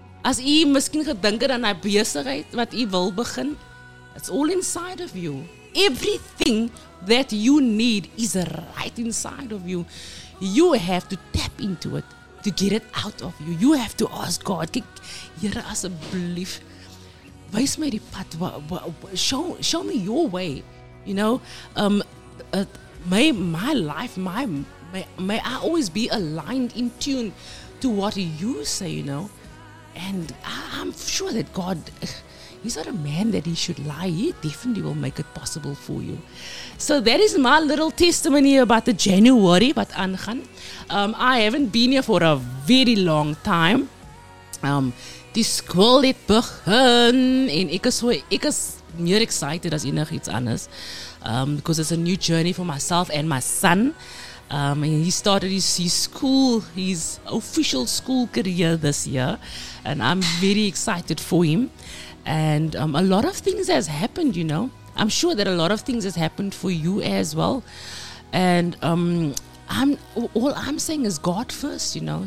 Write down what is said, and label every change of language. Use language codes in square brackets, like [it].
[af] As jy miskien gedink het aan 'n besigheid wat jy wil begin, [en] it's all inside of you. Everything that you need is right inside of you. You have to tap into it to get it out of you. You have to ask God, [af] Here, asseblief, wys my die pad. [en] Show me your way. You know, my life, may I always be aligned in tune to what you say, you know. And I'm sure that God, he's not a man that he should lie. He definitely will make it possible for you. So that is my little testimony about the January, but aangaan. I haven't been here for a very long time. [af] Die school het begin en ek is meer excited as enig iets anders. [en] Because it's a new journey for myself and my son. And he started his official school career this year. And I'm very excited for him. And a lot of things has happened, you know. I'm sure that a lot of things has happened for you as well. And all I'm saying is God first, you know.